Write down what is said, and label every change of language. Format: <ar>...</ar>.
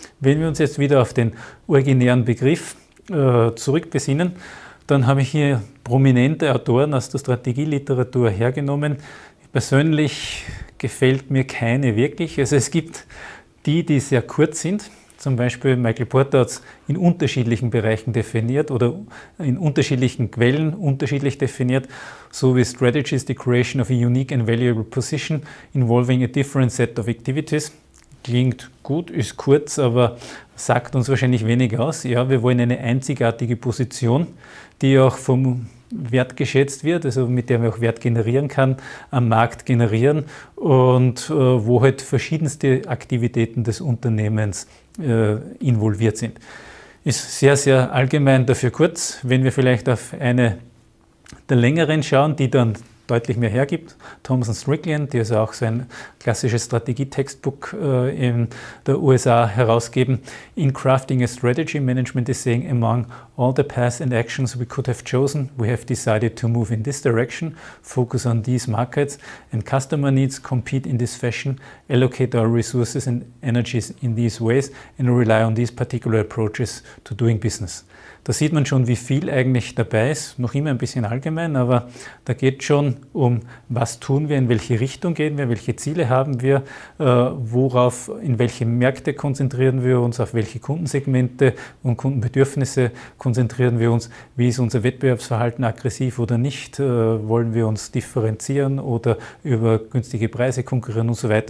<de>Wenn wir uns jetzt wieder auf den originären Begriff zurückbesinnen, dann habe ich hier prominente Autoren aus der Strategieliteratur hergenommen. Persönlich gefällt mir keine wirklich. Also es gibt die, die sehr kurz sind. Zum Beispiel Michael Porter hat es in unterschiedlichen Bereichen definiert oder in unterschiedlichen Quellen unterschiedlich definiert. So wie</de> <en>Strategy is the creation of a unique and valuable position involving a different set of activities.</en> <de>Klingt gut, ist kurz, aber sagt uns wahrscheinlich wenig aus. Ja, wir wollen eine einzigartige Position, die auch vom Wert geschätzt wird, also mit der man auch Wert generieren kann, am Markt generieren und wo halt verschiedenste Aktivitäten des Unternehmens involviert sind. Ist sehr, sehr allgemein, dafür kurz. Wenn wir vielleicht auf eine der längeren schauen, die dann deutlich mehr hergibt. Thomson Strickland, die also auch so ein klassisches Strategie-Textbook in der USA herausgeben.</de> <en>In crafting a strategy, management is saying, among all the paths and actions we could have chosen, we have decided to move in this direction, focus on these markets and customer needs, compete in this fashion, allocate our resources and energies in these ways and rely on these particular approaches to doing business.</en> <de>Da sieht man schon, wie viel eigentlich dabei ist. Noch immer ein bisschen allgemein, aber da geht schon um, was tun wir, in welche Richtung gehen wir, welche Ziele haben wir, worauf, in welche Märkte konzentrieren wir uns, auf welche Kundensegmente und Kundenbedürfnisse konzentrieren wir uns, wie ist unser Wettbewerbsverhalten, aggressiv oder nicht, wollen wir uns differenzieren oder über günstige Preise konkurrieren und so weiter.</de>